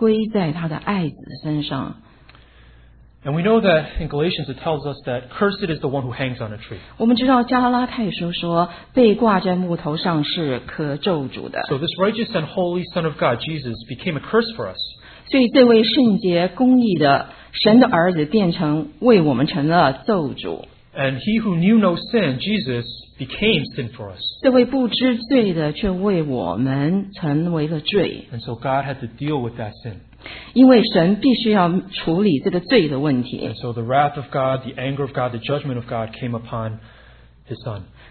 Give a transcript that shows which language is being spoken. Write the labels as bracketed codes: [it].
[zh] 但是神却将众人的罪孽归在他的爱子身上。 [en] And we know that in Galatians it tells us that cursed is the one who hangs on a tree. [zh] 我们知道加拉太书说被挂在木头上是可咒诅的。 [en] So this righteous and holy son of God, Jesus, became a curse for us. [zh] 所以这位圣洁公义的神的儿子变成为我们成了咒诅。 [en] And he who knew no sin, Jesus, became sin for us. [zh] 这位不知罪的却为我们成为了罪。 [en] And so God had to deal with that sin. [zh] 因为神必须要处理这个罪的问题。 [en] And so the wrath of God, the anger of God, the judgment of God came upon his son.